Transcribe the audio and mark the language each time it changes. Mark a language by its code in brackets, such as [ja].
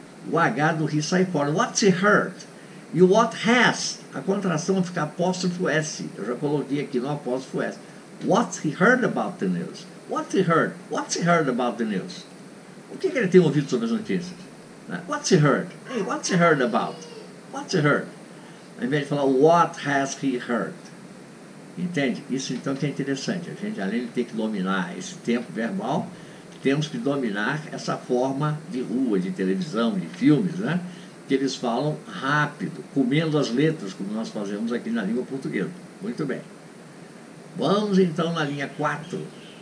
[pt] O H do he sai fora. [en] What's he heard? [pt] E o [en] what has? [pt] A contração fica apóstrofo S. Eu já coloquei aqui no apóstrofo S. [en] What's he heard about the news? What's he heard? What's he heard about the news? [pt] O que ele tem ouvido sobre as notícias? [en] What's he heard? Hey, what's he heard about? What's he heard? [pt] Ao invés de falar, [en] what has he heard? [pt] Entende? Isso então que é interessante. A gente, além de ter que dominar esse tempo verbal, temos que dominar essa forma de rua, de televisão, de filmes, né? Que eles falam rápido, comendo as letras, como nós fazemos aqui na língua portuguesa. Muito bem. Vamos então na linha 4.